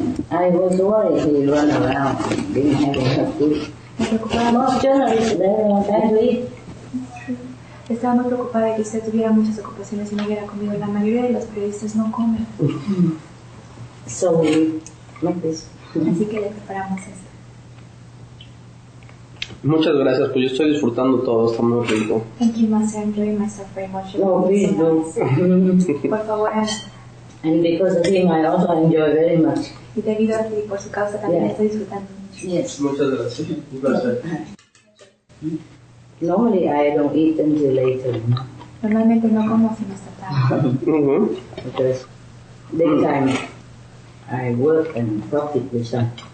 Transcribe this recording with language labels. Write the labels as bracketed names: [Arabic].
[English] I was worried he would run around, didn't have enough food. Most journalists, they don't want to eat. [Spanish] Estaba muy preocupada de que usted tuviera muchas ocupaciones y no hubiera comido. La mayoría de los periodistas no comen. [English] So we make this. [Spanish] Así que le preparamos esto. Muchas gracias, pues yo estoy disfrutando todo, está muy rico. [English] Thank you, Master. Enjoy myself very much. No, please do. [Spanish] Por favor, [English] And because of him, I also enjoy very much. [Spanish] Y debido a ti, por su causa, también estoy disfrutando mucho. [English] Yes. [Spanish] Muchas gracias. Un placer. [English] Normally, I don't eat until later. [Spanish] Normalmente no como sin esta tarde. [English] Because this time, I work and profit with that.